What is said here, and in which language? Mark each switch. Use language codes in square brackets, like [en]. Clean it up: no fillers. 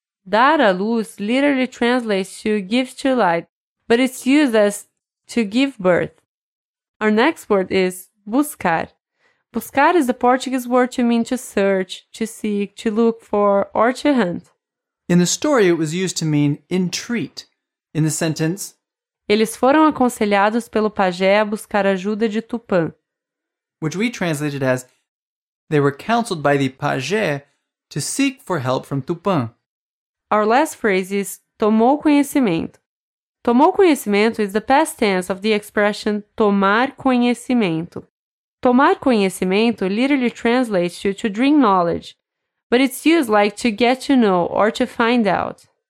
[en] Dar à luz literally translates to give to light, but it's used as to give birth. Our next word is buscar. Buscar is the Portuguese word to mean to search, to seek, to look for, or to hunt. In the story, it was used to mean entreat. In the sentence, [pt] eles foram aconselhados pelo pajé a buscar ajuda de Tupã. [en] Which we translated as, they were counseled by the pajé to seek for help from Tupã. Our last phrase is, tomou conhecimento. Tomou conhecimento is the past tense of the expression tomar conhecimento. Tomar conhecimento literally translates to drink knowledge, but it's used like to get to know or to find out.